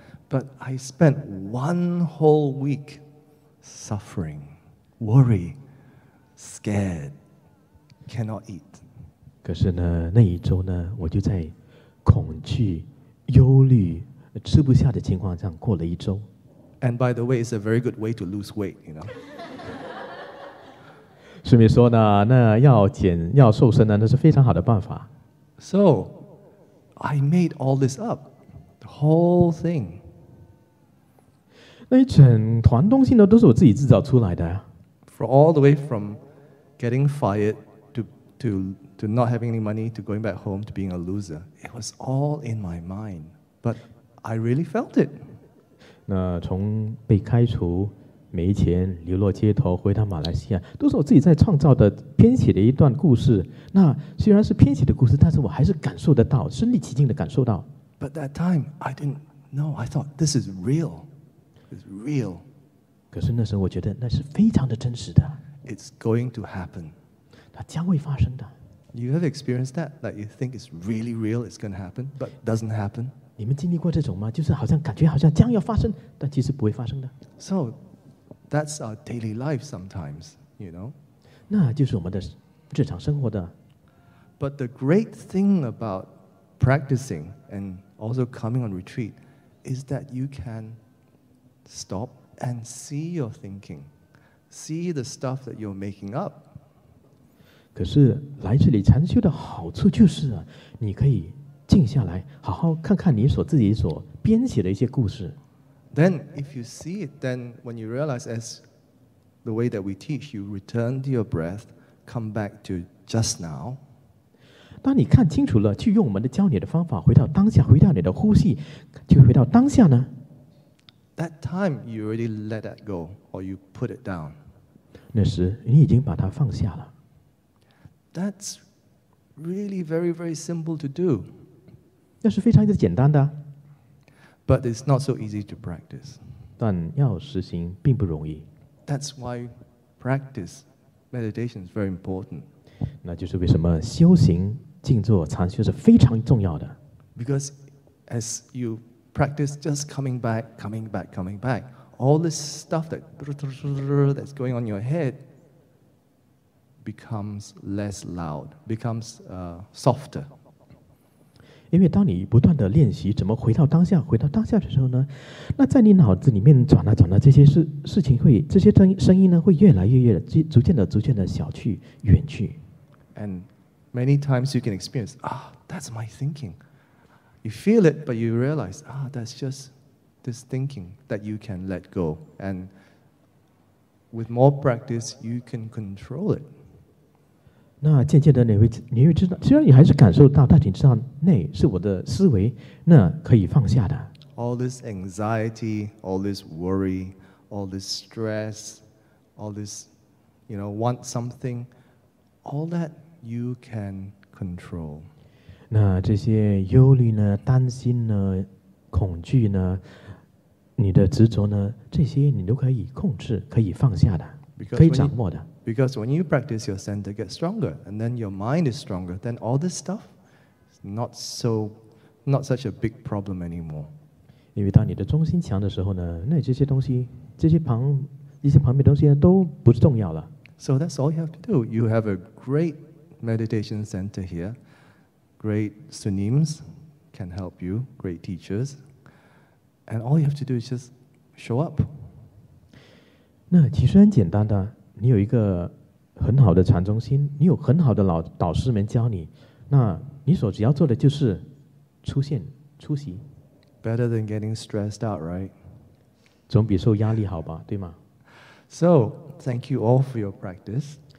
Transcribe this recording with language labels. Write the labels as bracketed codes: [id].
[en] But I spent 1 whole week suffering, worry. Scared, cannot eat. [zh] 可是呢，那一周呢，我就在恐惧、忧虑、吃不下的情况下过了一周。 [en] And by the way, it's a very good way to lose weight, you know. [zh] 顺便说呢，那要减、要瘦身呢，那是非常好的办法。 [en] So, I made all this up, the whole thing. [zh] 那一整团东西呢，都是我自己制造出来的。 [en] For all the way from getting fired to not having any money to going back home to being a loser, it was all in my mind. But I really felt it. [zh] 那从被开除、没钱、流落街头、回到马来西亚，都是我自己在创造的、编写的一段故事。那虽然是编写的故事，但是我还是感受得到，身临其境的感受到。 [en] But that time, I didn't know. I thought this is real. It's real. [zh] 可是那时候我觉得那是非常的真实的。 [en] It's going to happen. [zh] 它将会发生的。 [en] You have experienced that? Like you think it's really real, it's going to happen, but doesn't happen? [zh] 你们经历过这种吗？就是好像感觉好像将要发生，但其实不会发生的。 [en] So, that's our daily life sometimes, you know? [zh] 那就是我们的日常生活的。 [en] But the great thing about practicing and also coming on retreat is that you can stop. And see your thinking, see the stuff that you're making up. [zh] 可是来这里禅修的好处就是啊，你可以静下来，好好看看你所自己所编写的一些故事。 [en] Then, if you see it, then when you realize as the way that we teach, you return to your breath, come back to just now. [zh] 当你看清楚了，去用我们的教你的方法，回到当下，回到你的呼吸，就回到当下呢？ [en] That time, you already let that go, or you put it down. [zh] 那时你已经把它放下了。 [en] That's really very, very simple to do. [zh] 那是非常的简单的。 [en] But it's not so easy to practice. [zh] 但要实行并不容易。 [en] That's why practice meditation is very important. [zh] 那就是为什么修行静坐禅修是非常重要的。 [en] Because as you practice, just coming back, coming back, coming back, all this stuff that's going on in your head becomes less loud, becomes softer. [zh] 因为当你不断的练习怎么回到当下，回到当下的时候呢，那在你脑子里面转了转了，这些事情会，这些声音呢会越来越逐渐的小去远去。 [en] And many times you can experience, ah, that's my thinking. You feel it, but you realize, ah, that's just this thinking that you can let go. And with more practice, you can control it. [zh] 那渐渐的你会知道，虽然你还是感受到，但你知道那是我的思维，那可以放下的。 [en] All this anxiety, all this worry, all this stress, all this, you know, want something, all that you can control. [zh] 那这些忧虑呢，担心呢，恐惧呢，你的执着呢，这些你都可以控制，可以放下的，可以掌握的。 [en] Because when you practice, your center gets stronger, and then your mind is stronger. Then all this stuff, not such a big problem anymore. [zh] 因为当你的中心强的时候呢，那这些东西，这些旁边的东西呢，都不重要了。 [en] So that's all you have to do. You have a great meditation center here. Great sunims can help you. Great teachers, and all you have to do is just show up. [zh] 那其实很简单的。你有一个很好的禅中心，你有很好的导师们教你，那你所只要做的就是出现出席。 [en] Better than getting stressed out, right? [zh] 总比受压力好吧，对吗 [en] ？So, thank you all for your practice.